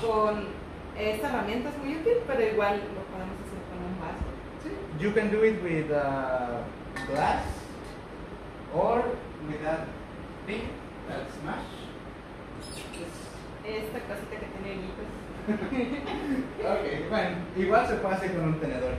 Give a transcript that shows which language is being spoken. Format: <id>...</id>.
<es>Con esta herramienta es muy útil, pero igual lo podemos hacer con un vaso.</es> <en>You can do it with a glass or with that thing that smash.</en> <es>Esta cosita que tiene hilitos. Okay, igual se puede hacer con un tenedor.</es>